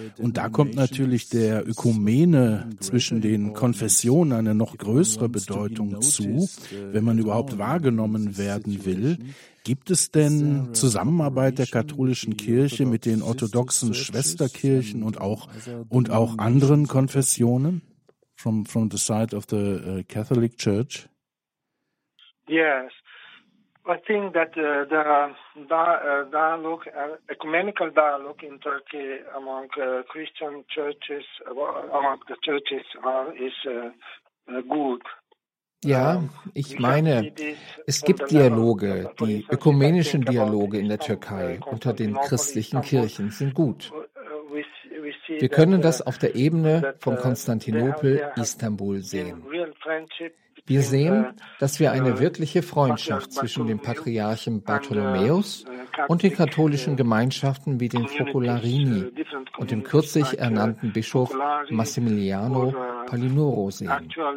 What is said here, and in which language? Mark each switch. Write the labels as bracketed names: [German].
[German] Und da kommt natürlich der Ökumene zwischen den Konfessionen eine noch größere Bedeutung zu, wenn man überhaupt wahrgenommen werden will. Gibt es denn Zusammenarbeit der katholischen Kirche mit den orthodoxen Schwesterkirchen und auch anderen Konfessionen [English] from the side of the Catholic Church? Yes, I think that the ecumenical dialogue in Turkey among Christian churches, among the churches, is good. [German] Ja, ich meine, es gibt Dialoge, die ökumenischen Dialoge in der Türkei unter den christlichen Kirchen sind gut. Wir können das auf der Ebene von Konstantinopel, Istanbul sehen. Wir sehen, dass wir eine wirkliche Freundschaft zwischen dem Patriarchen Bartholomäus und den katholischen Gemeinschaften wie den Focolarini und dem kürzlich ernannten Bischof Massimiliano Palinuro sehen.